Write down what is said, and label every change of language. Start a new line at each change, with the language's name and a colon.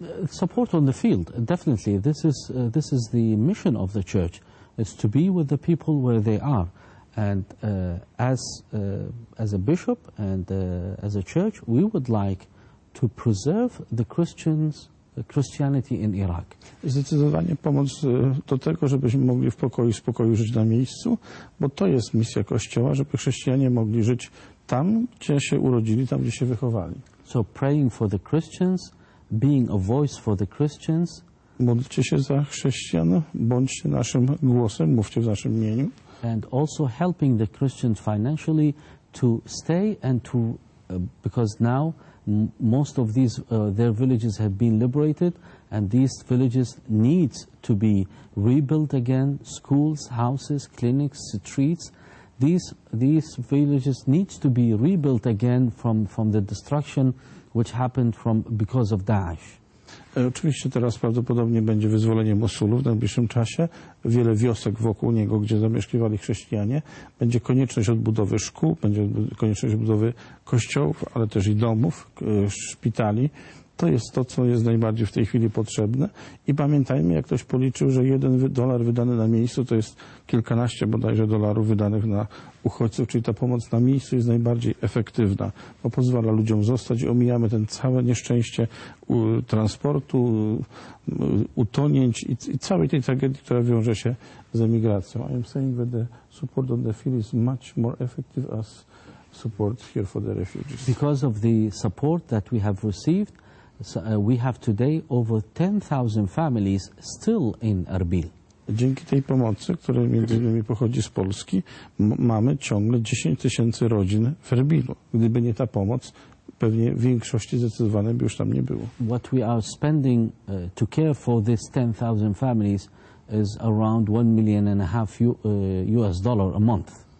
English: Support on the field, definitely. This is the mission of the church. It's to be with the people where they are, and as a bishop and as a church, we would like to preserve the Christianity in Iraq.
Polish: Zdecydowanie pomoc do tego, żebyśmy mogli w pokoju i spokoju żyć na miejscu, bo to jest misja Kościoła, żeby chrześcijanie mogli żyć tam, gdzie się urodzili, tam, gdzie się wychowali.
English: So praying for the Christians, being a voice for the Christians.
Polish: Módlcie się za chrześcijan, bądźcie naszym głosem, mówcie w naszym imieniu.
English: And also helping the Christians financially to stay and to, because now most of these their villages have been liberated and these villages need to be rebuilt again, schools, houses, clinics, streets. These villages need to be rebuilt again from the destruction which happened from because of Daesh.
Polish: Oczywiście teraz prawdopodobnie będzie wyzwolenie Mosulu w najbliższym czasie. Wiele wiosek wokół niego, gdzie zamieszkiwali chrześcijanie. Będzie konieczność odbudowy szkół, będzie konieczność odbudowy kościołów, ale też i domów, szpitali. To jest to, co jest najbardziej w tej chwili potrzebne. I pamiętajmy, jak ktoś policzył, że jeden dolar wydany na miejscu to jest kilkanaście bodajże dolarów wydanych na uchodźców, czyli ta pomoc na miejscu jest najbardziej efektywna, bo pozwala ludziom zostać. Omijamy ten całe nieszczęście transportu, utonięć i całej tej tragedii, która wiąże się z emigracją.
English: I am saying that the support on the field is much more effective as support here for the refugees. Because of the support that we have received, we have today over 10,000 families still in Erbil.
Polish: Dzięki tej pomocy, która między innymi pochodzi z Polski, mamy ciągle 10 tysięcy rodzin w Erbilu. Gdyby nie ta pomoc, pewnie w większości zdecydowanej by już tam nie było.
English: What we are spending to care for these 10,000 families is around 1.5 million US dollar a month.